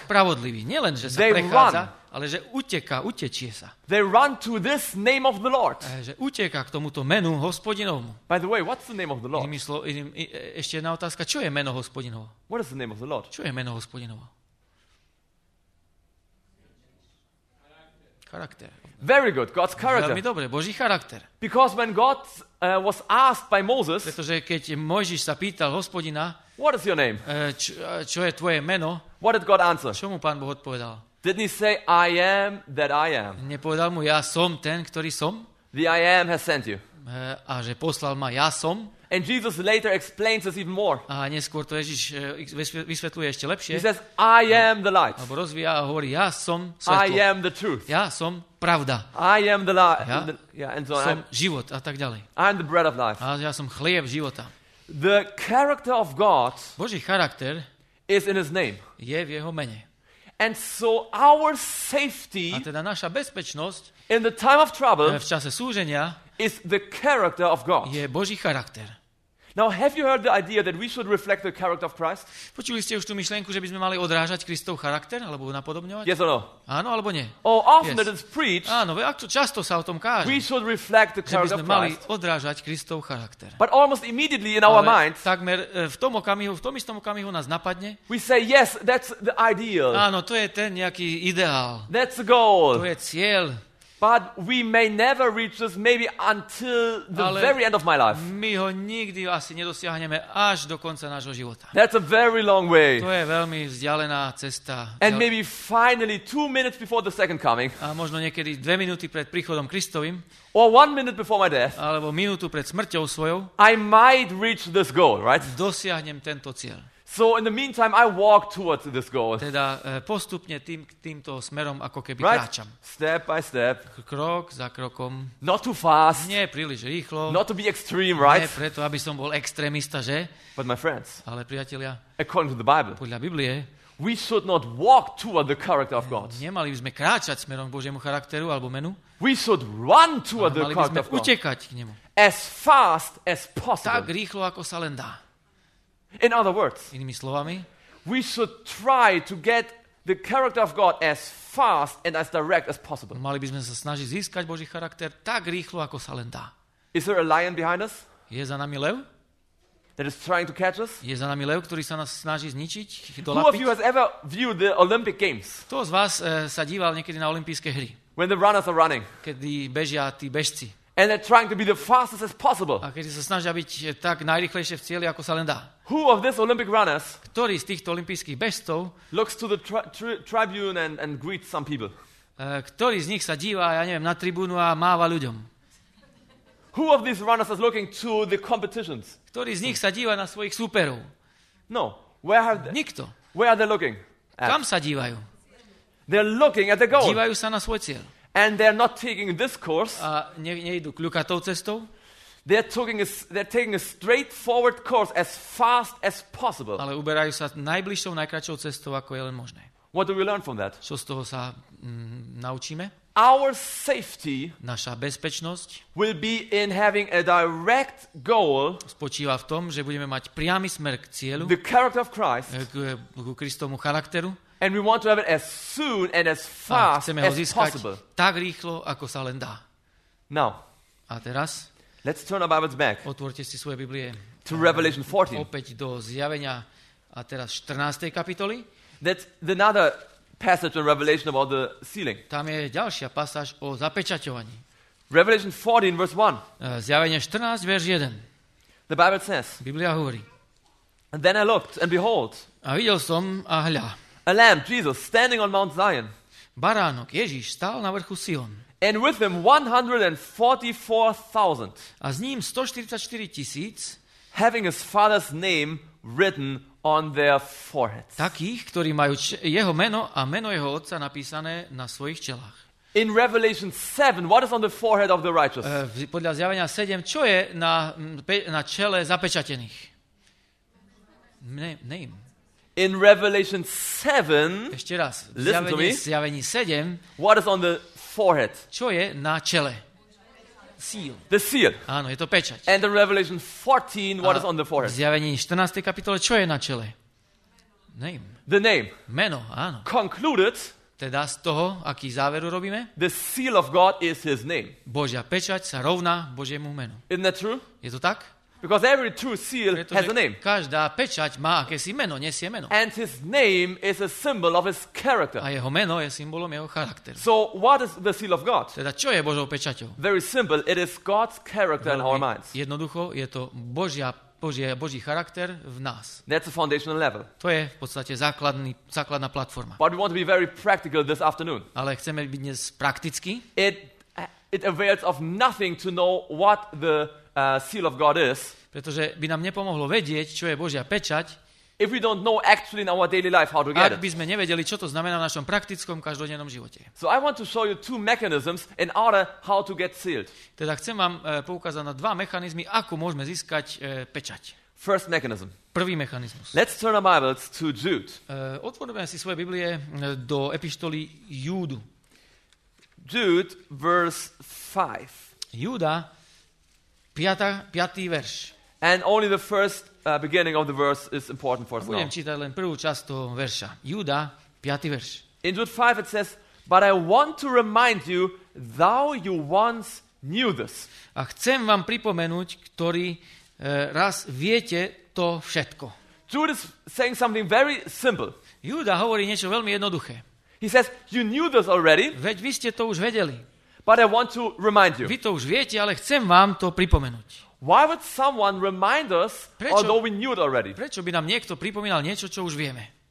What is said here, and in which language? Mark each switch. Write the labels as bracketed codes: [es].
[sk] Spravodliví, nielen že sa prechádza, ale že uteká, utečie sa. [en] They run to this name of the Lord. [sk] Že uteká k tomuto menu Hospodinovmu. [en] By the way, what's the name of the Lord? [sk] Ešte jedna otázka, čo je meno Hospodinovo? [en] What is the name of the Lord? [sk] Čo je meno Hospodinovo? Charakter. [en] Very good. God's character. [sk] Veľmi dobre, Boží charakter. [en] Because when God was asked by Moses, [sk] pretože keď Mojžiš sa pýtal Hospodina, [en] what is your name? [sk] Čo je tvoje meno? [en] What did God answer? [sk] Čo mu Pán Boh odpovedal? [en] Didn't he say I am that I am? [sk] Nepovedal mu ja som ten, ktorý som? [en] The I am has sent you. [sk] A že poslal ma ja som. [en] And Jesus later explains this even more. [sk] A neskôr to Ježiš vysvetľuje ešte lepšie. [en] He says, I am the light. [sk] Alebo rozvíja a hovorí, ja som svetlo. [en] I am the truth. [sk] Ja som pravda. [en] I am the light. [sk] Som život a tak ďalej. [en] I am the bread of life. [sk] A ja som chlieb života. [en] The character of God, [sk] Boží charakter, [en] is in his name. [sk] Je v jeho mene. [en] And so our safety, [sk] a teda naša bezpečnosť, [en] in the time of trouble, [sk] v čase súženia, [en] is the character of God. [sk] Je Boží charakter. [en] Now have you heard the idea that we should reflect the character of Christ? [sk] Počuli ste už tú myšlienku, že by sme mali odrážať Kristov charakter alebo ho napodobňovať? [en] Yes or no? [sk] Áno alebo nie? [en] Oh, often it is preached. [sk] Áno, veľmi často sa o tom káže. [en] We should reflect the character of Christ. [sk] Že by sme mali odrážať Kristov charakter. [en] But almost immediately in our minds. [sk] Ale takmer v tom okamihu, v tom istom okamihu nás napadne. [en] We say yes, that's the ideal. [sk] Áno, to je ten nejaký ideál. [en] That's the goal. [sk] To je cieľ. [en] But we may never reach this maybe until the [sk] ale [en] very end of my life. [sk] My ho nikdy asi nedosiahneme až do konca nášho života. [en] That's a very long way. [sk] To je veľmi vzdialená cesta. [en] And maybe finally 2 minutes before the second coming. [sk] A možno niekedy 2 minuty pred príchodom Kristovým. [en] Or 1 minute before my death. [sk] Alebo minútu pred smrťou svojou. [en] I might reach this goal, right? [sk] Dosiahnem tento cieľ. [en] So in the meantime I walk towards this goal. [sk] Teda postupne týmto smerom ako keby [en] right? [sk] Kráčam. [en] Step by step. [sk] Krok za krokom. [en] Not too fast. [sk] Nie príliš rýchlo. [en] Not to be extreme, right? [sk] Nie preto, aby som bol extrémista, že? [en] But my friends. [sk] Ale priatelia. [en] According to the Bible. [sk] Podľa Biblie. [en] We should not walk toward the character of God. [sk] Nemali by sme kráčať smerom k Božiemu charakteru alebo menu. [en] We should run toward the character of God. [sk] Mali by sme utekať k nemu. [en] As fast as possible. [sk] Tak rýchlo ako sa len dá. [en] In other words, [sk] inými slovami, [en] we should try to get the character of God as fast and as direct as possible. [sk] Mali by sme sa snažiť získať Boží charakter tak rýchlo ako sa len dá. [en] Is there a lion behind us? [sk] Je za nami lev? [en] That is trying to catch us? [sk] Je za nami lev, ktorý sa nás snaží zničiť, dolapiť? [en] Who of you has ever viewed the Olympic Games? [sk] Kto z vás sa díval niekedy na olympijské hry? [en] When the runners are running. [sk] Kedy bežia tí bežci. [en] And they're trying to be the fastest as possible. [sk] A keď sa snažia byť tak najrýchlejšie v cieli, ako sa len dá. [en] Who of these Olympic runners? [sk] Ktorý z týchto olympijských bežcov? [en] Looks to the tribune and greets some people. [sk] Ktorý z nich sa díva, ja neviem, na tribúnu a máva ľuďom? [en] Who of these runners is looking to the competitions? [sk] Ktorý z nich sa díva na svojich súperov? [en] No, where are they? [sk] Nikto. [en] Where are they looking? [sk] Kam sa dívajú? [en] They're looking at the goal. [sk] Dívajú sa na svoj cieľ. [en] And they're not taking this course. [sk] A nejdu kľukatou cestou. [en] They're taking a straightforward course as fast as possible. [sk] Ale uberajú sa najbližšou, najkračšou cestou, ako je len možné. [en] What do we learn from that? [sk] Čo z toho sa naučíme? [en] Our safety, [sk] naša bezpečnosť, [en] will be in having a direct goal, [sk] spočíva v tom, že budeme mať priamy smer k cieľu, [en] the character of Christ, [sk] k Kristovmu charakteru, [en] and we want to have it as soon and as fast as possible. [sk] A chceme ho získať tak rýchlo, ako sa len dá. [en] Now, [sk] a teraz, [en] let's turn our Bibles back, [sk] otvorte si svoje Biblie, [en] to Revelation 14, [sk] opäť do Zjavenia, a teraz 14. kapitoli, [en] that's another passage in Revelation about the sealing. [sk] Tam je ďalšia pasáž o zapečaťovaní. [en] Revelation 14 verse 1. [sk] Zjavenie 14 verš 1. [en] The Bible says. [sk] Biblia hovorí. [en] And then I looked and behold. [sk] A videl som a hľa. [en] A lamb, Jesus, standing on Mount Zion. [sk] Baránok Ježiš stál na vrchu Sion. [en] And with him 144,000. [sk] A s ním 144 tisíc. [en] Having his father's name written on their foreheads. [sk] Takých, ktorí majú jeho meno a meno jeho otca napísané na svojich čelách. [en] In Revelation 7, what is on the forehead of the righteous? [sk] Podľa Zjavenia 7, čo je na čele zapečatených? [en] Name. In Revelation 7, [sk] ešte raz, Zjavení 7, [en] what is on the forehead? [sk] Čo je na čele? [en] Seal. The seal. [sk] Áno, je to pečať. [en] And the Revelation 14, what is on the forehead? [sk] V Zjavení 14. kapitole, čo je na čele? [en] Name. The name. [sk] Meno, áno. [en] Concluded. [sk] Teda z toho, aký záver urobíme? [en] The seal of God is his name. [sk] Božia pečať sa rovná Božiemu menu. [en] Isn't that true? [sk] Je to tak? [en] Because every true seal has a name. [sk] Každá pečať má akési meno, nesie meno. [en] And his name is a symbol of his character. [sk] A jeho meno je symbolom jeho charakteru. [en] So what is the seal of God? [sk] Teda čo je Božou pečaťou? [en] Very simple, it is God's character in our minds. [sk] Jednoducho, je to Boží charakter v nás. [en] That's a foundational level. [sk] To je v podstate základná platforma. [en] But we want to be very practical this afternoon. [sk] Ale chceme byť dnes prakticky. [en] It avails of nothing to know what the seal of God is. [sk] Pretože by nám nepomohlo vedieť, čo je Božia pečať. [en] If we don't know actually in our daily life how to get it. [sk] Ak by sme nevedeli, čo to znamená v našom praktickom každodennom živote. [en] So I want to show you two mechanisms in order how to get sealed. [sk] Teda chcem vám poukázať na dva mechanizmy, ako môžeme získať pečať. [en] First mechanism. [sk] Prvý mechanizmus. [en] Let's turn our Bibles to Jude. [sk] Otvorme si svoje Biblie do epištoly Júdu. [en] Jude verse 5. [sk] Júda 5. verš. [en] And only the first beginning of the verse is important for us. [sk] Budem čítať len prvú časť toho verša. Júda, 5. verš. [en] In Jude 5 it says, but I want to remind you, though you once knew this. [sk] A chcem vám pripomenúť, ktorý raz viete to všetko. [en] Jude is saying something very simple. [sk] Júda hovorí niečo veľmi jednoduché. [en] He says, you knew this already. [sk] Veď vy ste to už vedeli. [en] But I want to remind you. [sk] Vy to už viete, ale chcem vám to pripomenúť. [en] Why would someone remind us, although we knew it already? [sk] Prečo by nám niekto pripomínal niečo, čo už vieme?